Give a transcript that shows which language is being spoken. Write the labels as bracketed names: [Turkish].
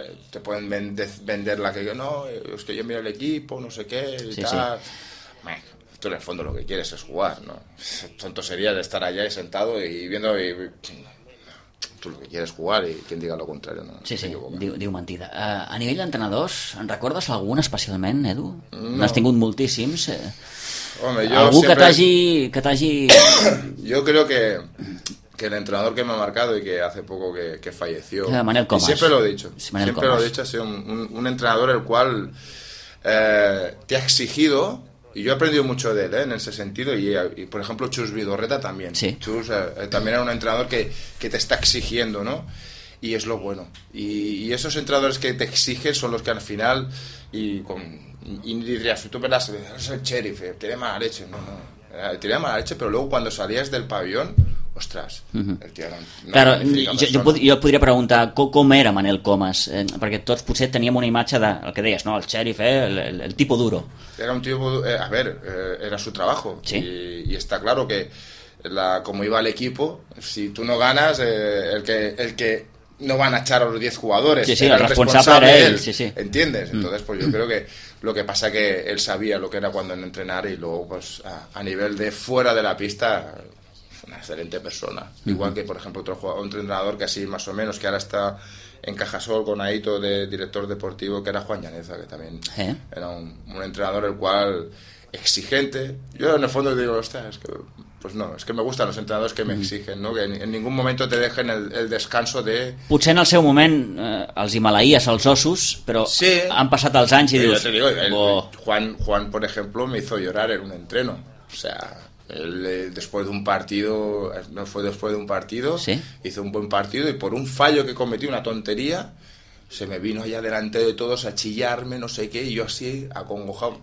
[Spanish] Te pueden vender la que yo no, es que yo miro el equipo, no sé qué, y sí, tal. Sí. Tú en el fondo lo que quieres es jugar, ¿no? Tonto sería de estar allá sentado y viendo. Y tú lo que quieres jugar y quien diga lo contrario, ¿no? Sí, sí, digo mentida. [Catalan] A nivell d'entrenadors, en recordes algun especialment, Edu? No. N'has tingut moltíssims. Home, jo algú sempre... que t'hagi... Jo crec que... [Spanish] el entrenador que me ha marcado y que hace poco que falleció, Manel Comas. Y siempre lo he dicho, ha sido un entrenador el cual te ha exigido, y yo he aprendido mucho de él, en ese sentido, y por ejemplo Chus Vidorreta también, sí. Chus también era un entrenador que te está exigiendo, ¿no? Y es lo bueno, y esos entrenadores que te exigen son los que al final, y dirías, si tú verás, es el sheriff, tiene mala leche, no, tiene mala leche, pero luego cuando salías del pabellón, ostras, el tio era... [Catalan] No, claro, jo podria preguntar com era Manel Comas, perquè tots potser teníem una imatge de, el que deies, no? El xèrif, el tipo duro. [Spanish] Era un tipo, a ver, era su trabajo, ¿sí? Y está claro que como iba el equipo, si tú no ganas, el que no van a echar a los 10 jugadores, sí, sí, el responsable era él, sí, sí. ¿Entiendes? Entonces pues yo creo que lo que pasa que él sabía lo que era cuando en entrenar, y luego pues a nivel de fuera de la pista, una excelente persona. Igual que, por ejemplo, otro jugador, un entrenador que así más o menos, que ahora está en Cajasol con Aito de director deportivo, que era Juan Llaneza, que también era un entrenador el cual exigente. Yo en el fondo digo, es que pues no, es que me gustan los entrenadores que me exigen, ¿no? Que en ningún momento te dejen el descanso de... [Catalan] Potser en el seu moment els Himalaies, els ossos, però sí, han passat els anys i dius... [Spanish] Yo te digo, Juan, por ejemplo, me hizo llorar en un entreno. O sea... Después de un partido, ¿sí? Hizo un buen partido y por un fallo que cometí, una tontería, se me vino allá delante de todos a chillarme, no sé qué, y yo así, acongojado.